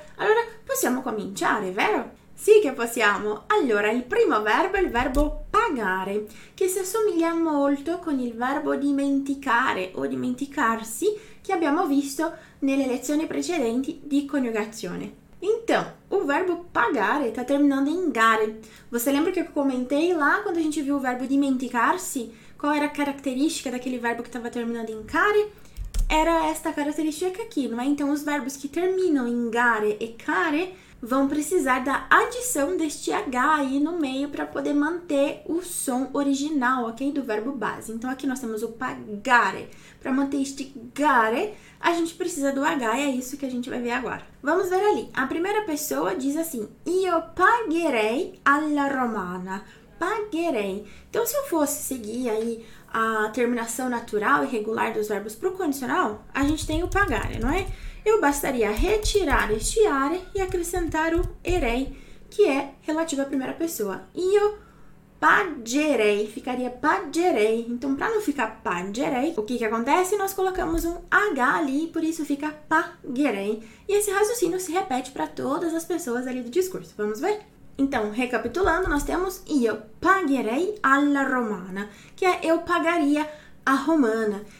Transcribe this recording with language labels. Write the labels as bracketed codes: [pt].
[it] Allora, possiamo cominciare, vero? Sì che possiamo. Allora, il primo verbo è il verbo pagare, che si assomiglia molto con il verbo dimenticare o dimenticarsi che abbiamo visto nelle lezioni precedenti di coniugazione. [pt] Então, o verbo pagar está terminando em gare. Você lembra que eu comentei lá quando a gente viu o verbo dimenticar-se? Qual era a característica daquele verbo que estava terminando em care? Era esta característica aqui, não é? Então, os verbos que terminam em gare e care vão precisar da adição deste H aí no meio para poder manter o som original, ok? Do verbo base. Então, aqui nós temos o pagare. Para manter este gare, a gente precisa do H e é isso que a gente vai ver agora. Vamos ver ali. A primeira pessoa diz assim, [it] io pagherei alla romana. Pagherei. [pt] Então, se eu fosse seguir aí a terminação natural e regular dos verbos para o condicional, a gente tem o pagare, não é? Eu bastaria retirar este are e acrescentar o erei, que é relativo à primeira pessoa. [it] Io pagherei, [pt] ficaria pagherei. Então, para não ficar pagherei, o que, que acontece? Nós colocamos um H ali, por isso fica pagherei. E esse raciocínio se repete para todas as pessoas ali do discurso. Vamos ver? Então, recapitulando, nós temos [it] io pagherei alla romana, [pt] que é eu pagaria a romana.